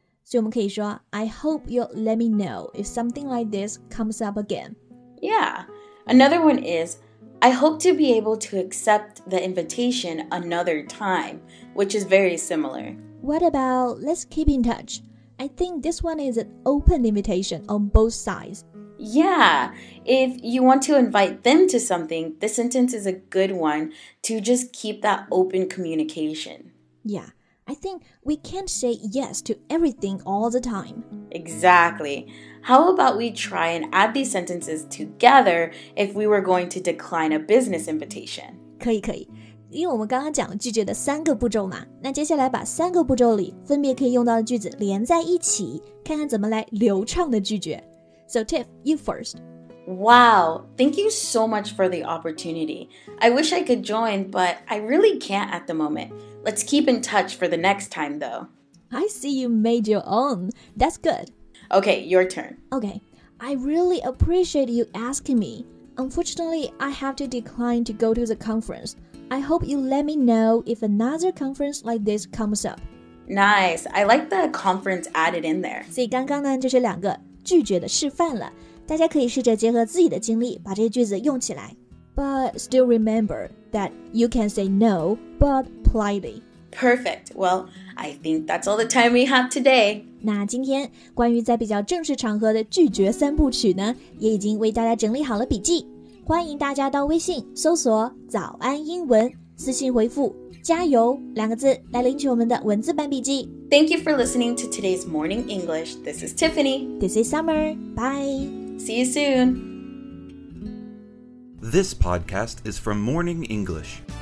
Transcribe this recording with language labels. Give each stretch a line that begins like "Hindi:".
Chinese: 所以我们可以说
English: I hope you'll let me know if something like this comes up again. Yeah, another one is, I hope to be able to accept the invitation another time, which is very similar. What about let's keep in touch? I think this one is an open invitation on both sides. Yeah, if you want to invite them to something, this sentence is a good one to just keep that open communication. Yeah. I think we can't say yes to everything all the time. Exactly. How about we try and add these sentences together if we were going to decline a business invitation?
Chinese: 可以可以，因为我们刚刚讲拒绝的三个步骤嘛，那接下来把三个步骤里分别可以用到的句子连在一起，看看怎么来流畅的拒绝。
English: So Tiff, you first. Wow, thank you so much for the opportunity. I wish I could join, but I really can't at the moment. Let's keep in touch for the next time, though. I see you made your own. That's good. Okay, your turn. Okay, I really appreciate you asking me. Unfortunately, I have to decline to go to the conference. I hope you let me know if another conference like this comes up. Nice, I like the conference added in there.
Chinese: 所以刚刚呢，就是两个拒绝的示范了。大家可以试着结合自己的经历把这些句子用起来。
English: But still remember that you can say no, but politely. Perfect. Well, I think that's all the time we have today.
Chinese: 那今天关于在比较正式场合的拒绝三部曲呢，也已经为大家整理好了笔记。欢迎大家到微信搜索早安英文，私信回复加油两个字来领取我们的文字版笔记。
English: Thank you for listening to today's Morning English. This is Tiffany. This is Summer. Bye. See you soon. This podcast is from Morning English.